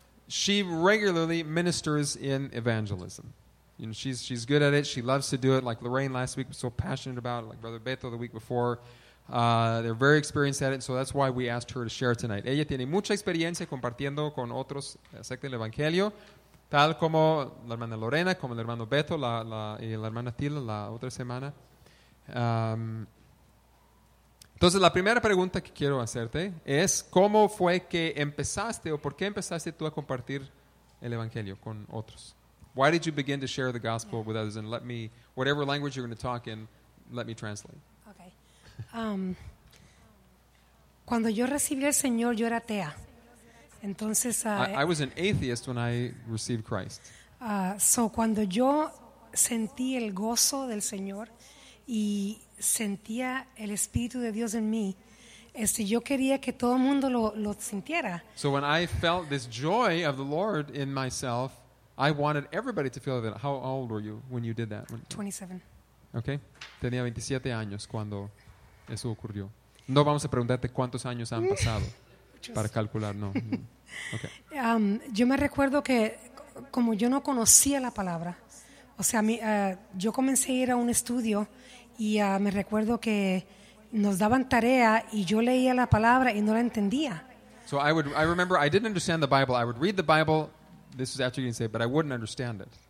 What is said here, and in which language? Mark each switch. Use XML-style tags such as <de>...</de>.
<en>She regularly ministers in evangelism. You know, she's good at it. She loves to do it. Like Lorraine last week was so passionate about it, like Brother Beto the week before. They're very experienced at it, so that's why we asked her to share tonight.</en> <es>Ella tiene mucha experiencia compartiendo con otros acerca del evangelio, tal como la hermana Lorena, como el hermano Beto, y la hermana Tila la otra semana. Entonces, la primera pregunta que quiero hacerte es, ¿cómo fue que empezaste o por qué empezaste tú a compartir el Evangelio con otros?</es> <en>Why did you begin to share the gospel with others? And let me, whatever language you're going to talk in, let me translate.</en> <es>Okay. Cuando yo recibí al Señor, yo era atea. Entonces,</es> <en>I was an atheist when I received Christ.</en> <es>So, cuando yo sentí el gozo del Señor y sentía el Espíritu de Dios en mí, yo quería que todo el mundo lo sintiera.</es> <en>So when I felt this joy of the Lord in myself, I wanted everybody to feel that. How old were you when you did that? 27.</en> <es>Okay. Tenía 27 años cuando eso ocurrió. No vamos a preguntarte cuántos años han pasado para calcular, no. Okay. Yo me recuerdo que como yo no conocía la palabra, o sea, yo comencé a ir a un estudio. Y me recuerdo que nos daban tarea y yo leía la palabra y no la entendía.</es> <en>So I remember I didn't understand the Bible. I would read the Bible, this is after you can say, but I wouldn't understand it.</en>